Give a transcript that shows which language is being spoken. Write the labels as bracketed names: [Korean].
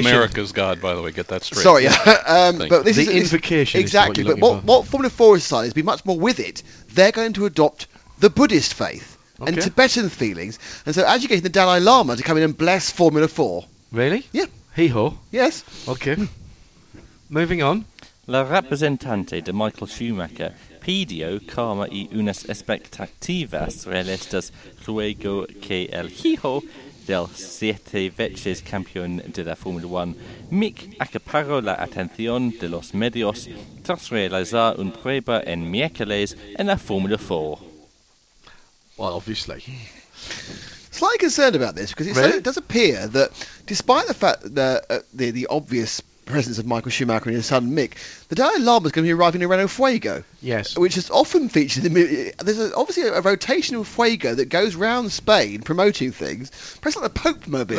[English] America's God, by the way, get that straight. Sorry, yeah. But this the is, invocation. Exactly. Is what but what Formula 4 has decided is be much more with it. They're going to adopt the Buddhist faith and Tibetan feelings. And so, as you get the Dalai Lama to come in and bless Formula 4. Really? Yeah. Hee ho. Yes. Okay. Moving on. [Spanish] La representante de Michael Schumacher pidió calma y unas expectativas realistas luego que el hijo del siete veces campeón de la Fórmula 1, Mick, acaparó la atención de los medios tras realizar un prueba en miércoles en la Fórmula 4. [English] Well, obviously. Slightly concerned about this, because really? So, it does appear that, despite the fact that the obvious presence of Michael Schumacher and his son Mick, the Dalai Lama is going to be arriving in Renault Fuego. Yes. Which is often featured in the movie. There's obviously a rotation of Fuego that goes round Spain promoting things. Perhaps like the Pope Mobile.